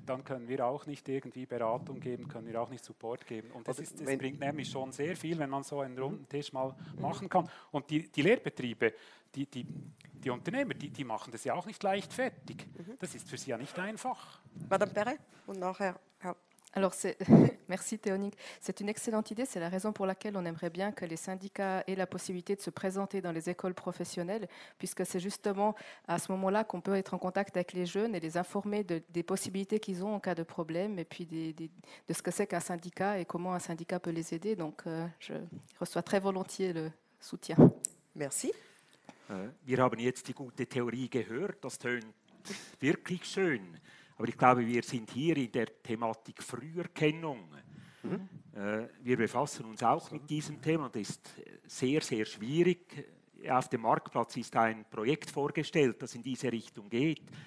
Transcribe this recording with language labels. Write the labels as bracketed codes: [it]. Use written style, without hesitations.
[de] Dann können wir auch nicht irgendwie Beratung geben, können wir auch nicht Support geben. Und das bringt nämlich schon sehr viel, wenn man so einen runden Tisch mal machen kann. Und die Lehrbetriebe, die Unternehmer, die machen das ja auch nicht leichtfertig. Das ist für sie ja nicht einfach. Madame Perret und nachher. [fr] Alors, merci Théonique. C'est une excellente idée. C'est la raison pour laquelle on aimerait bien que les syndicats aient la possibilité de se présenter dans les écoles professionnelles, puisque c'est justement à ce moment-là qu'on peut être en contact avec les jeunes et les informer des possibilités qu'ils ont en cas de problème, et puis de ce que c'est qu'un syndicat et comment un syndicat peut les aider. Donc, je reçois très volontiers le soutien. Merci. [de] Wir haben jetzt die gute Theorie gehört. Das tönt wirklich schön. Aber ich glaube, wir sind hier in der Thematik Früherkennung. Wir befassen uns auch mit diesem Thema. Das ist sehr, sehr schwierig. Auf dem Marktplatz ist ein Projekt vorgestellt, das in diese Richtung geht.